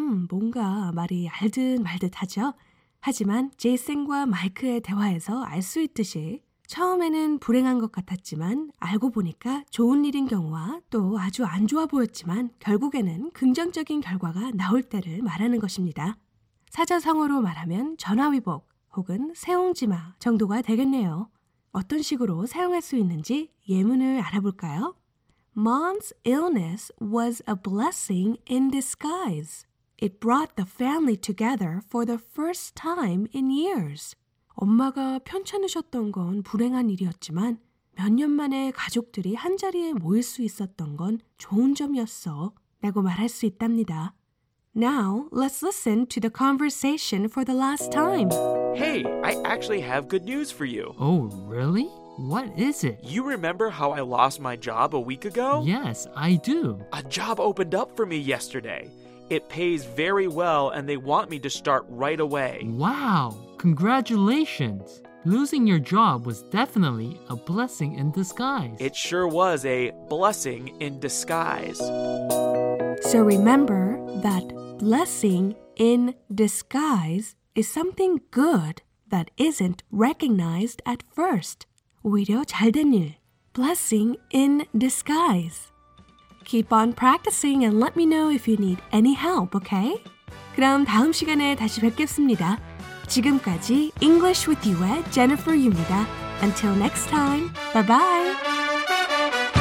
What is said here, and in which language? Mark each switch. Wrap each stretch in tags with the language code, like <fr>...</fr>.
<ko>뭔가 말이 알든 말듯하죠? 하지만 제이슨과 마이크의 대화에서 알 수 있듯이 처음에는 불행한 것 같았지만 알고 보니까 좋은 일인 경우와 또 아주 안 좋아 보였지만 결국에는 긍정적인 결과가 나올 때를 말하는 것입니다. 사자성어로 말하면 전화위복 혹은 세옹지마 정도가 되겠네요. 어떤 식으로 사용할 수 있는지 예문을 알아볼까요?</ko> <en>Mom's illness was a blessing in disguise. It brought the family together for the first time in years.</en> <ko>엄마가 편찮으셨던 건 불행한 일이었지만 몇 년 만에 가족들이 한자리에 모일 수 있었던 건 좋은 점이었어 라고 말할 수 있답니다.</ko> <en>Now, let's listen to the conversation for the last time. Hey, I actually have good news for you. Oh, really? What is it? You remember how I lost my job a week ago? Yes, I do. A job opened up for me yesterday. It pays very well, and they want me to start right away. Wow, congratulations. Losing your job was definitely a blessing in disguise. It sure was a blessing in disguise. So remember that blessing in disguise is something good that isn't recognized at first.</en> <ko>오히려 잘된 일.</ko> <en>Blessing in disguise. Keep on practicing and let me know if you need any help, okay?</en> <ko>그럼 다음 시간에 다시 뵙겠습니다. 지금까지 English with you의 Jennifer Yu입니다.</ko> <en>Until next time, bye-bye!</en>